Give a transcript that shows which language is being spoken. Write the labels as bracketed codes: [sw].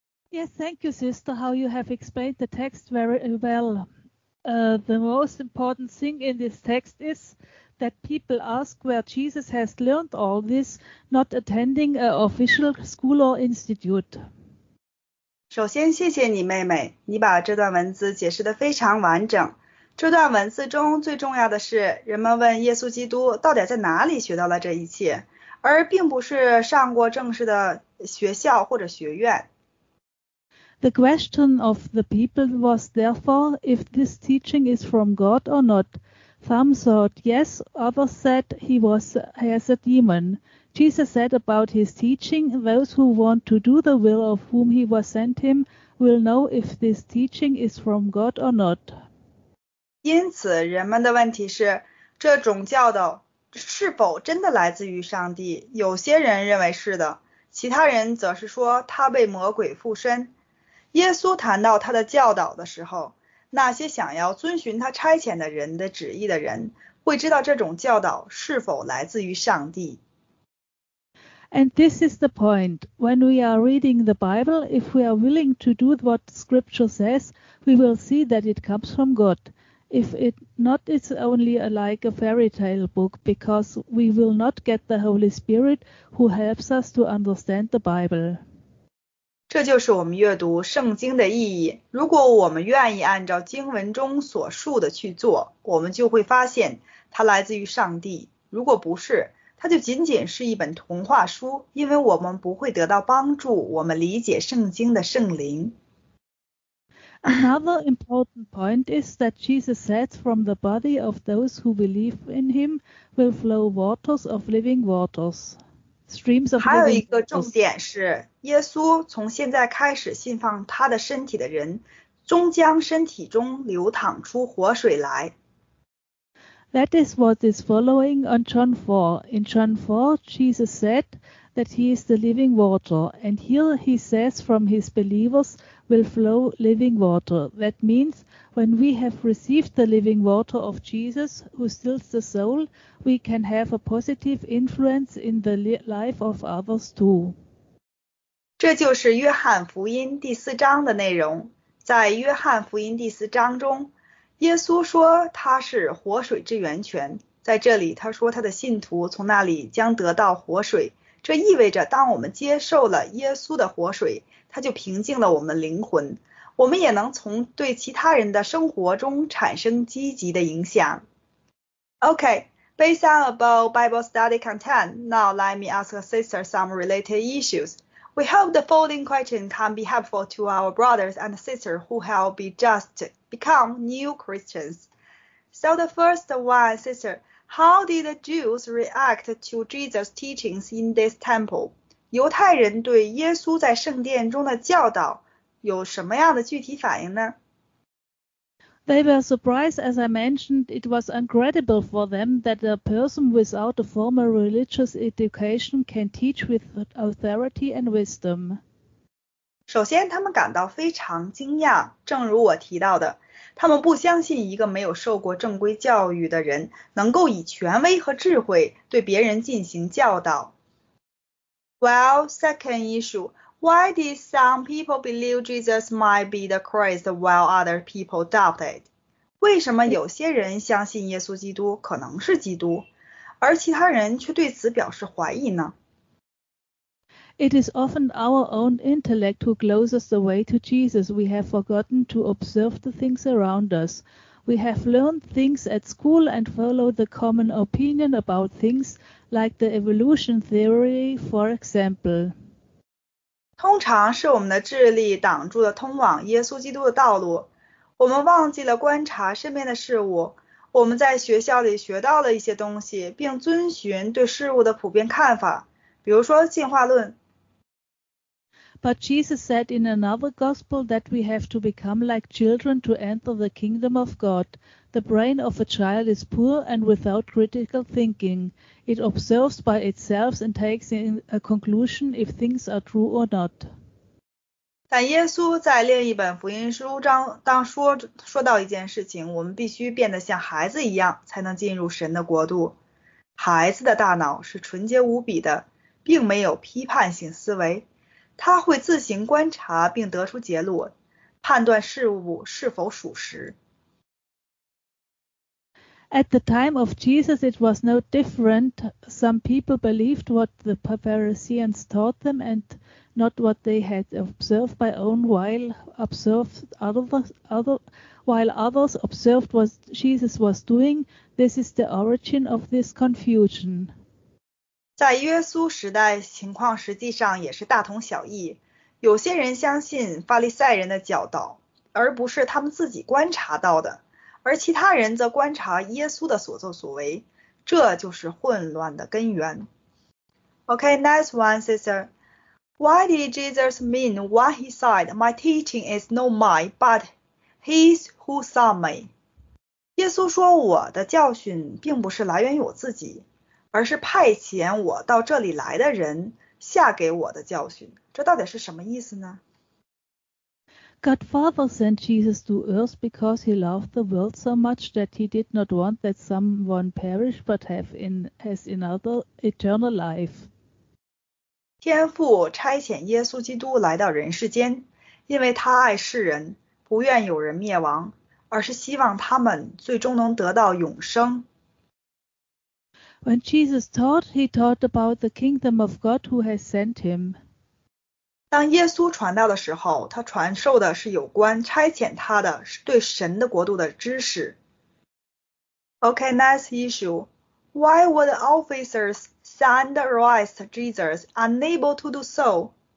[en] Yes, thank you, sister, how you have explained the text very well. The most important thing in this text is that people ask where Jesus has learned all this, not attending an official school or institute. [zh] 首先，谢谢你，妹妹，你把这段文字解释得非常完整。这段文字中最重要的是，人们问耶稣基督到底在哪里学到了这一切，而并不是上过正式的学校或者学院。 [en] The question of the people was therefore if this teaching is from God or not. Some thought yes, others said he has a demon. Jesus said about his teaching, those who want to do the will of whom he was sent him will know if this teaching is from God or not. [zh] 因此人们的问题是这种教导是否真的来自于上帝。有些人认为是的，其他人则是说他被魔鬼附身。耶稣谈到他的教导的时候，那些想要遵循他差遣的人的旨意的人会知道这种教导是否来自于上帝。 [en] And this is the point. When we are reading the Bible, if we are willing to do what Scripture says, we will see that it comes from God. If it not, it's only like a fairy tale book, because we will not get the Holy Spirit who helps us to understand the Bible. [zh] 这就是我们阅读圣经的意义。如果我们愿意按照经文中所述的去做，我们就会发现它来自于上帝。如果不是，它就仅仅是一本童话书，因为我们不会得到帮助我们理解圣经的圣灵。 [en] Another important point is that Jesus said from the body of those who believe in him will flow waters of living waters, streams of living waters. [zh] 还有一个重点是耶稣从现在开始信奉他的身体的人终将身体中流淌出活水来。 [en] That is what is following on John 4. In John 4, Jesus said that he is the living water, and here he says from his believers will flow living water. That means when we have received the living water of Jesus, who stills the soul, we can have a positive influence in the life of others too. [zh] 这就是约翰福音第四章的内容。在约翰福音第四章中，耶稣说他是活水之源泉，在这里他说他的信徒从那里将得到活水，这意味着当我们接受了耶稣的活水，他就平静了我们灵魂，我们也能从对其他人的生活中产生积极的影响。 [en] OK, based on above Bible study content, now let me ask a sister some related issues. We hope the following question can be helpful to our brothers and sisters who have been just become new Christians. So the first one, sister, how did the Jews react to Jesus' teachings in this temple? [zh] 犹太人对耶稣在圣殿中的教导有什么样的具体反应呢？ [en] They were surprised, as I mentioned, it was incredible for them that a person without a formal religious education can teach with authority and wisdom. [zh] 首先他们感到非常惊讶，正如我提到的，他们不相信一个没有受过正规教育的人能够以权威和智慧对别人进行教导。 [en] Well, second issue, why did some people believe Jesus might be the Christ while other people doubted? [zh] 为什么有些人相信耶稣基督可能是基督，而其他人却对此表示怀疑呢？ [en] It is often our own intellect who closes the way to Jesus. We have forgotten to observe the things around us. We have learned things at school and followed the common opinion about things, like the evolution theory, for example. [zh] 通常是我们的智力挡住了通往耶稣基督的道路。我们忘记了观察身边的事物。我们在学校里学到了一些东西，并遵循对事物的普遍看法。比如说进化论。 [en] But Jesus said in another gospel that we have to become like children to enter the kingdom of God. The brain of a child is poor and without critical thinking. It observes by itself and takes in a conclusion if things are true or not. [zh] 但耶稣在另一本福音书章当说到一件事情：我们必须变得像孩子一样，才能进入神的国度。孩子的大脑是纯洁无比的，并没有批判性思维，他会自行观察并得出结论，判断事物是否属实。 [en] At the time of Jesus, it was no different. Some people believed what the Pharisees taught them and not what they had observed by own while observed other while others observed what Jesus was doing. This is the origin of this confusion. [zh] 在约书时代，情况实际上也是大同小异。有些人相信法利赛人的教导，而不是他们自己观察到的，而其他人则观察耶稣的所作所为，这就是混乱的根源。 [en] Okay, next one, sister. Why did Jesus mean when he said, "My teaching is not mine, but his who sent me"? [zh] 耶稣说，我的教训并不是来源于我自己，而是派遣我到这里来的人下给我的教训，这到底是什么意思呢？ [en] God Father sent Jesus to earth because he loved the world so much that he did not want that someone perish but has another eternal life. [zh] 天父差遣耶稣基督来到人世间，因为他爱世人，不愿有人灭亡，而是希望他们最终能得到永生。 [en] When Jesus taught, he taught about the kingdom of God who has sent him. [zh] 当耶稣传道的时候，他传授的是有关差遣他的，是对神的国度的知识。 [en] Okay, next issue. Why were the officers send arrest Jesus unable to do so?